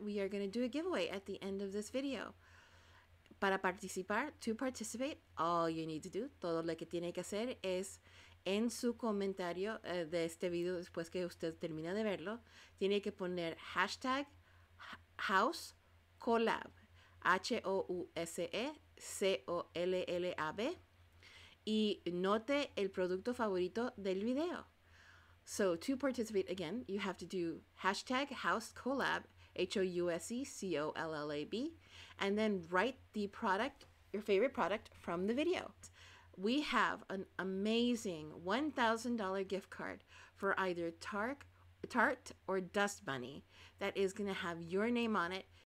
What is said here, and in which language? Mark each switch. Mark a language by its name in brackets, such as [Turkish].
[English] We are going to do a giveaway at the end of this video. To participate, all you need to do, [Spanish] todo lo que tiene que hacer es en su comentario de este video, después que usted termina de verlo, tiene que poner hashtag house collab, HOUSECOLLAB, y note el producto favorito del video. [English] So to participate again, you have to do hashtag house collab, HOUSECOLLAB, and then write the product, your favorite product from the video. We have an amazing $1,000 gift card for either Tarte or Dust Bunny that is going to have your name on it.